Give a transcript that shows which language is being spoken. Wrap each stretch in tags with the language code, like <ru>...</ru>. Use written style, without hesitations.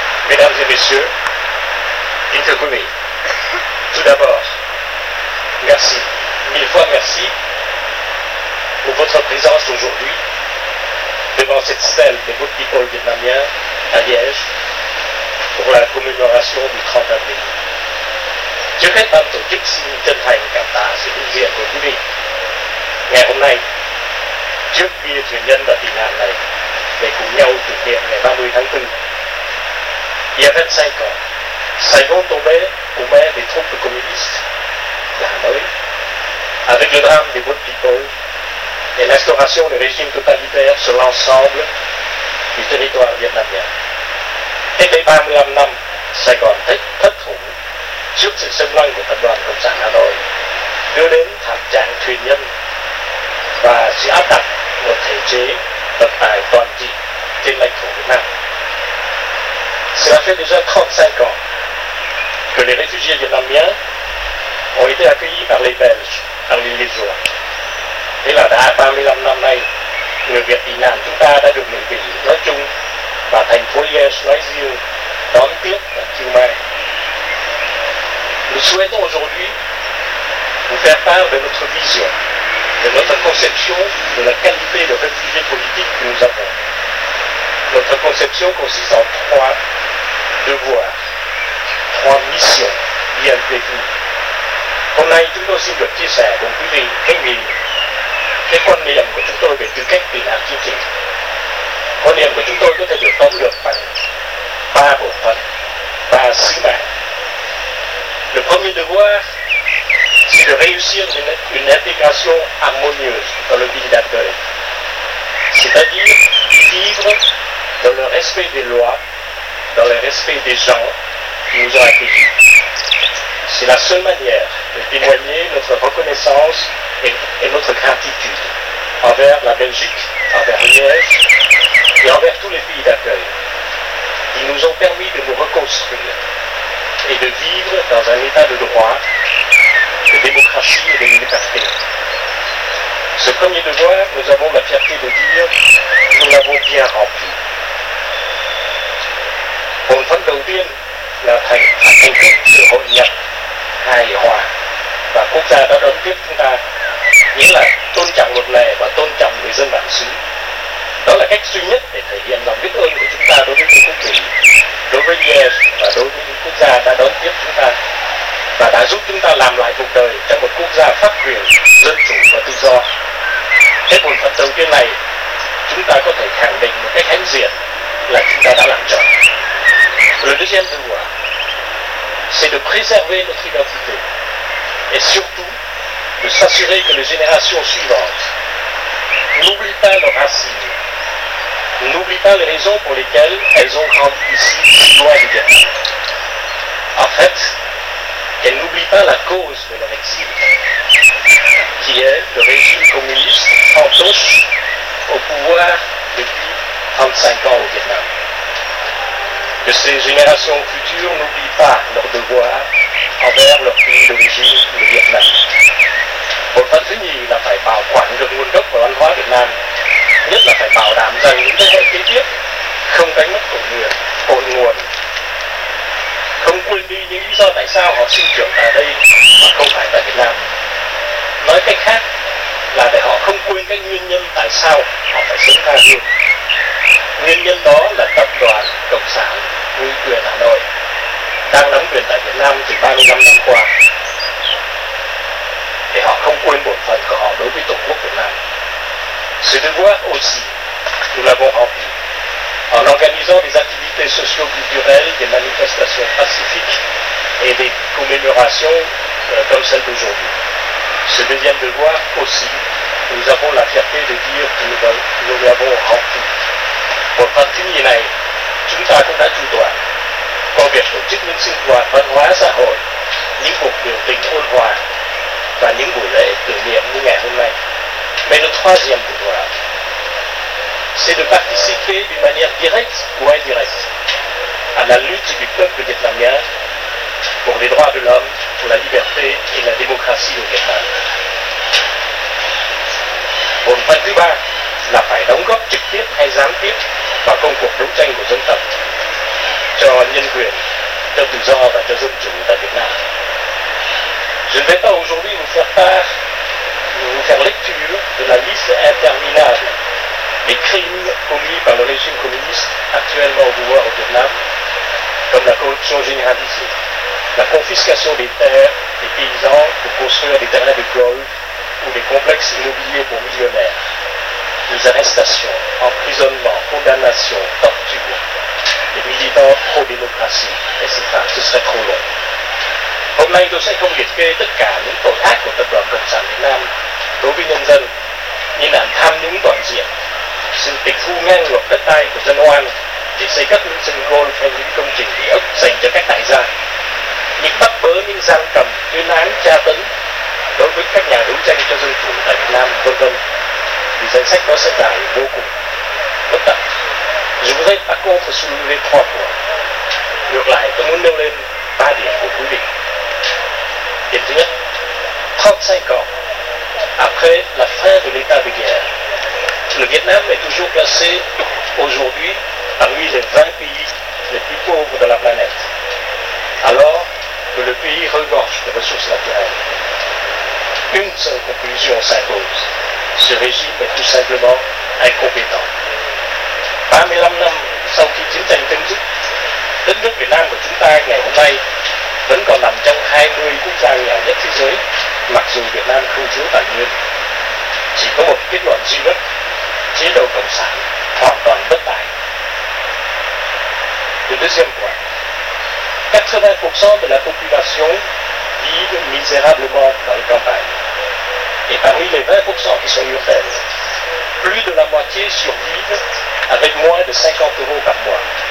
<fr>Mesdames et messieurs, Intercomi, tout d'abord, merci, mille fois merci pour votre présence aujourd'hui devant cette stèle de Good People vietnamiens à Liège pour la commémoration du 30 avril.</fr> <vi>Trước hết ban tổ chức xin chân thành cảm tạ sự hiện diện của quý vị ngày hôm nay trước bia thuyền nhân và tị nạn này để cùng nhau kỷ niệm ngày 30 tháng 4.</vi> <fr>Il y a 25 ans, Saigon tombait aux mains des troupes communistes de Hanoï avec le drame des Good People et l'instauration du régime totalitaire sur l'ensemble du territoire vietnamien. C'était 35 ans,</fr> <vi>Saigon thất thủ trước sự xâm lăng của tập đoàn Cộng sản Hà Nội đưa đến thảm trạng thuyền nhân và sự áp đặt một thể chế độc tài toàn trị trên lãnh thổ Việt Nam.</vi> <fr>Cela fait déjà 35 ans que les réfugiés vietnamiens ont été accueillis par les Belges à l'île des Joies.</fr> <vi>Thế là đã 35 năm nay, người Việt tị nạn chúng ta đã được miền Bỉ nói chung và thành phố Liège nói riêng đón tiếp và chiêu mang.</vi> <fr>Nous souhaitons aujourd'hui vous faire part de notre vision, de notre conception de la qualité de réfugiés politiques que nous avons. Notre conception consiste en trois devoirs, trois missions liées avec nous.</fr> <vi>Hôm nay, chúng tôi xin được chia sẻ cùng quý vị khách mời cái quan niệm của chúng tôi về tư cách tị nạn chính trị. Quan niệm của chúng tôi có thể được tóm lược bằng ba bộ phận, ba sứ mạng.</vi> <fr>Le premier devoir, c'est de réussir une intégration harmonieuse dans le pays d'accueil, c'est-à-dire vivre dans le respect des lois, dans le respect des gens qui nous ont accueillis. C'est la seule manière de témoigner notre reconnaissance et notre gratitude envers la Belgique, envers Liège et envers tous les pays d'accueil qui nous ont permis de nous reconstruire et de vivre dans un état de droit, de démocratie et de liberté. Ce premier devoir, nous avons la fierté de dire que nous l'avons bien rempli.</fr> <vi>Bộ phận đầu tiên là thành công sự hội nhập, hài hòa và quốc gia đã đón tiếp chúng ta, nghĩa là tôn trọng luật lệ và tôn trọng người dân bản xứ. Đó là cách duy nhất để thể hiện lòng biết ơn của chúng ta đối với những quốc vị, đối với Yes và đối với những quốc gia đã đón tiếp chúng ta và đã giúp chúng ta làm lại cuộc đời trong một quốc gia pháp quyền, dân chủ và tự do. Thế bộ phận đầu tiên này, chúng ta có thể khẳng định một cách hãnh diện là chúng ta đã làm tròn.</vi> <fr>Le deuxième devoir, c'est de préserver notre identité et surtout de s'assurer que les générations suivantes n'oublient pas nos racines, n'oublient pas les raisons pour lesquelles elles ont grandi ici, si loin du Vietnam. En fait, qu'elles n'oublient pas la cause de leur exil, qui est le régime communiste fantoche au pouvoir depuis 35 ans au Vietnam. Que ces générations futures n'oublient pas leur devoir envers leur pays d'origine, le Vietnam.</fr> <vi>Bộ phận thứ nhì là phải bảo quản được nguồn gốc của văn hóa Việt Nam, nhất là phải bảo đảm rằng những thế hệ kế tiếp không đánh mất cội nguồn, không quên đi những lý do tại sao họ sinh trưởng ở đây mà không phải tại Việt Nam. Nói cách khác là để họ không quên cái nguyên nhân tại sao họ phải sống xa hương. Nguyên nhân đó là tập đoàn Cộng sản Nguyên quyền Hà Nội đang nắm quyền tại Việt Nam từ 35 năm qua, để họ không quên bổn phận của họ đối với Tổ quốc Việt Nam.</vi> <fr>Ce devoir aussi, nous l'avons rempli en organisant des activités socio-culturelles, des manifestations pacifiques et des commémorations comme celle d'aujourd'hui. Ce deuxième devoir aussi, nous avons la fierté de dire que nous l'avons rempli.</fr> <vi>Bộ phận thứ nhì này, chúng ta cũng đã chủ toàn qua việc tổ chức những sinh hoạt văn hóa xã hội, những cuộc biểu tình ôn hòa và những buổi lễ tưởng niệm như ngày hôm nay.</vi> <fr>Mais le troisième devoir, c'est de participer d'une manière directe ou indirecte à la lutte du peuple vietnamien pour les droits de l'homme, pour la liberté et la démocratie au Vietnam.</fr> <vi>Hồn phần thứ ba là phải đóng góp trực tiếp hay gián tiếp vào công cuộc đấu tranh của dân tộc cho nhân quyền, cho tự do và cho dân chủ tại Việt Nam.</vi> <fr>Je ne vais pas aujourd'hui vous faire part, vous faire lecture de la liste interminable des crimes commis par le régime communiste actuellement au pouvoir au Vietnam, comme la corruption généralisée, la confiscation des terres des paysans pour construire des terrains de golf ou des complexes immobiliers pour millionnaires, des arrestations, emprisonnements, condamnations, tortures, des militants pro-démocratie, etc. Ce serait trop long.</fr> <vi>Hôm nay tôi sẽ không liệt kê tất cả những tội ác của tập đoàn Cộng sản Việt Nam đối với nhân dân, như là tham nhũng toàn diện, sự tịch thu ngang ngược đất đai của dân oan để xây cất những sân golf hay những công trình địa ốc dành cho các đại gia, những bắt bớ, những giam cầm, tuyên án, tra tấn đối với các nhà đấu tranh cho dân chủ tại Việt Nam, v.v. Vì danh sách đó sẽ dài vô cùng bất tận.</vi> <fr>Je voudrais par contre soulever trois points.</fr> <vi>Ngược lại, tôi muốn nêu lên ba điểm của quý vị. Điểm thứ nhất,</vi> <fr>35 ans après la fin de l'état de guerre, le Vietnam est toujours classé aujourd'hui parmi les 20 pays les plus pauvres de la planète, alors que le pays regorge de ressources naturelles. Une seule conclusion s'impose, ce régime est tout simplement incompétent.</fr> <vi>35 năm sau khi chiến tranh chấm dứt, đất nước Việt Nam của chúng ta ngày hôm nay vẫn còn nằm trong 20 quốc gia nghèo nhất thế giới, mặc dù Việt Nam không thiếu tài nguyên. Chỉ có một kết luận duy nhất, chế độ Cộng sản hoàn toàn bất tài.</vi> <fr>Le deuxième point, 80% de la population vit misérablement dans les campagnes. Et parmi les 20% qui sont urbaines, plus de la moitié survivent avec moins de 50 euros par mois.</fr>